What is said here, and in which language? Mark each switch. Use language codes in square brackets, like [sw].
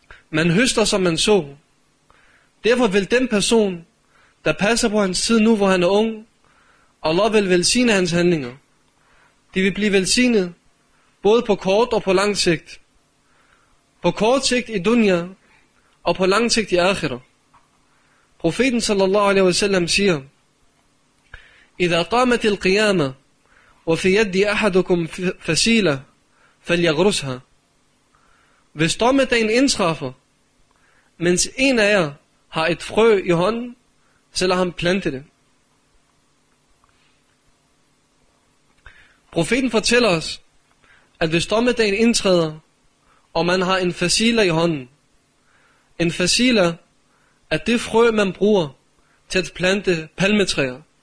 [da] Man høster, som man så. Derfor vil den person, der passer på hans tid nu, hvor han er ung, Allah vil velsigne hans handlinger. De vil blive velsignet, både på kort og på lang sigt. På kort sigt i dunya, og på lang sigt i akhirah. Profeten sallallahu alaihi wasallam siger, [ar] إِذَا قَامَتِ الْقِيَامَةِ وَفِي يَدِّ أَحَدُكُمْ فَسِيلَةً فَلْيَغْرُسْهَا. [da] Hvis dommedagen indtræffer, mens en af jer har et frø i hånden, så lad ham plante det. Profeten fortæller os, at hvis dommedagen indtræder, og man har en fasila i hånden, en fasila er det frø, man bruger til at plante palmetræer.